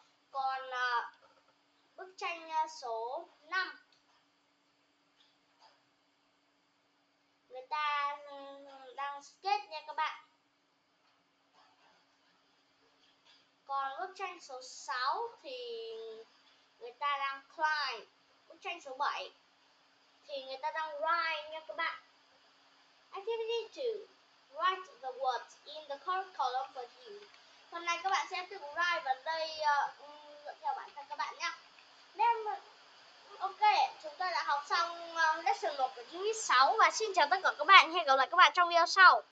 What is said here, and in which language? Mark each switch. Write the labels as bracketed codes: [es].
[vi] Còn bức tranh số 5, người ta đang skate nha các bạn. Còn bức tranh số 6 thì người ta đang climb. Bức tranh số 7 thì người ta đang ride nha các bạn. [en] Activity 2, write the words in the correct column for you. [vi] Hôm nay các bạn sẽ tự write vào đây dựa theo bản thân các bạn nhá. Ok, chúng ta đã học xong lesson 1 của chương 6 và xin chào tất cả các bạn. Hẹn gặp lại các bạn trong video sau.